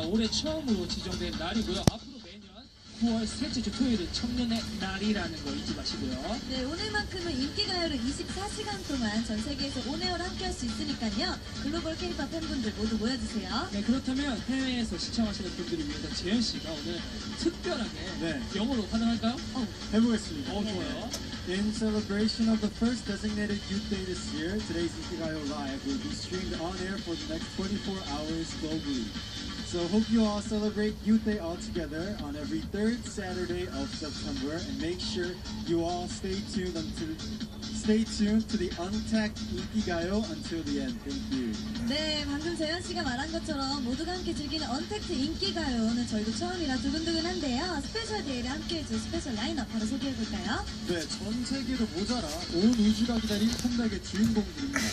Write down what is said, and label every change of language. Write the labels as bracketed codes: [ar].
[ko] 올해 처음으로 지정된 날이고요. 앞으로 매년 9월 셋째 주 토요일은 청년의 날이라는 거 잊지 마시고요. 네, 오늘만큼은 인기가요를 24시간 동안 전 세계에서 온에어로 함께할 수 있으니까요. 글로벌 K-POP 팬분들 모두 모여주세요. 네, 그렇다면 해외에서 시청하시는 분들을 위해서 재현 씨가 오늘 특별하게 네. 영어로 가능할까요? 해보겠습니다. 좋아요. [en] In celebration of the first designated youth day this year, today's Ikigayo Live will be streamed on air for the next 24 hours globally. So hope you all celebrate Youth Day all together on every third Saturday of September and make sure you all stay tuned to the Untacked Ikigayo until the end. Thank you. [ko] 네, 방금 재현 씨가 말한 것처럼 모두가 함께 즐기는 언택트 인기가요는 저희도 처음이라 두근두근한데요. 스페셜 데이를 함께해 줄 스페셜 라인업 바로 소개해볼까요? 네, 전 세계로 모자라 온 우주가 기다린 판닥의 주인공들입니다.